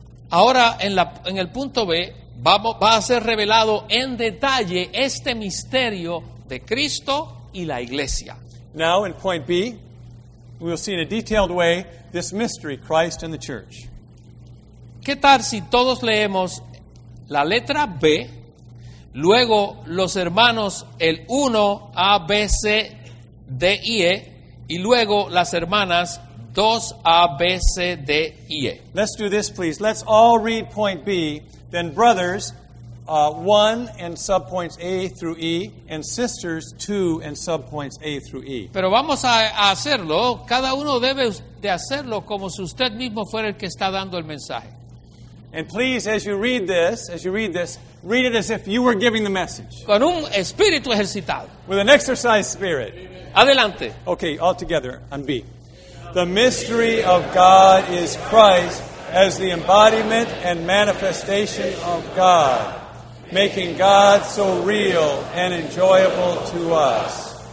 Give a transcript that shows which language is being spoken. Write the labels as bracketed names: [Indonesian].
[Spanish] Ahora, en el punto B, va a ser revelado en detalle este misterio de Cristo y la iglesia. [English] Now, in point B, we'll see in a detailed way this mystery, Christ and the church. [Spanish] ¿Qué tal si todos leemos la letra B, luego los hermanos el 1, A, B, C, D, I, E, y luego las hermanas 2, A, B, C, D, I, E. [English] Let's do this, please. Let's all read point B, then brothers, 1 and subpoints A through E, and sisters, 2 and subpoints A through E. [Spanish] Pero vamos a hacerlo. Cada uno debe de hacerlo como si usted mismo fuera el que está dando el mensaje. [English] And please, as you read this, read it as if you were giving the message. [Spanish] Con un espíritu ejercitado. [English] With an exercise spirit. [Spanish] Adelante. [English] Okay, all together on B. The mystery of God is Christ as the embodiment and manifestation of God, making God so real and enjoyable to us.